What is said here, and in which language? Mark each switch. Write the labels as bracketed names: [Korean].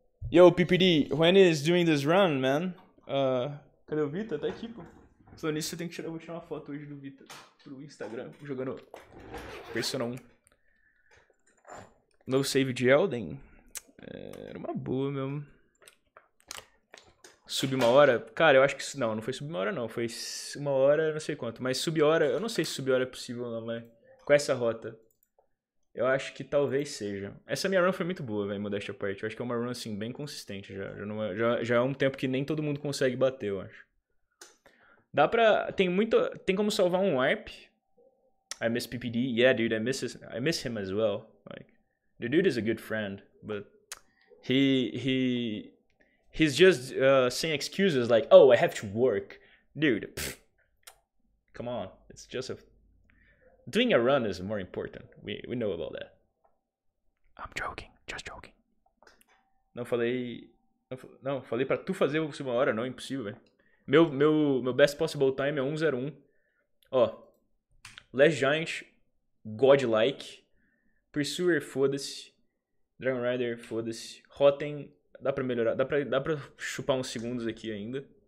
[English] Yo, PPD, when is doing this run, man? [Portuguese] Cadê o Vita? Tá aqui, pô. Falando nisso, eu vou tirar uma foto hoje do Vita pro Instagram, jogando Persona 1. No save de Elden? Era uma boa mesmo. Sub uma hora? Cara, eu acho que... Não, não foi sub uma hora, não. Foi uma hora, não sei quanto. Mas sub hora... Eu não sei se sub hora é possível, não, mas... Com essa rota... Eu acho que talvez seja. Essa minha run foi muito boa, velho, modéstia à parte. Eu acho que é uma run, assim, bem consistente já. Já é um tempo que nem todo mundo consegue bater, eu acho. Dá pra... Tem muito... Tem como salvar um warp? [English] I miss PPD. Yeah, dude, I miss him as well. Like, the dude is a good friend, but... He's just saying excuses like, oh, I have to work. Dude, pff. Come on. It's just a... Doing a run is more important. We know about that. I'm joking, just joking. [Portuguese] Não falei. Não, falei pra tu fazer isso uma hora, não, é impossível, velho. Meu [English] best possible time [Portuguese] é 101. Ó. Last Giant, godlike. Pursuer, foda-se. Dragon Rider, foda-se. Rotten, dá pra melhorar. Dá pra chupar uns segundos aqui ainda.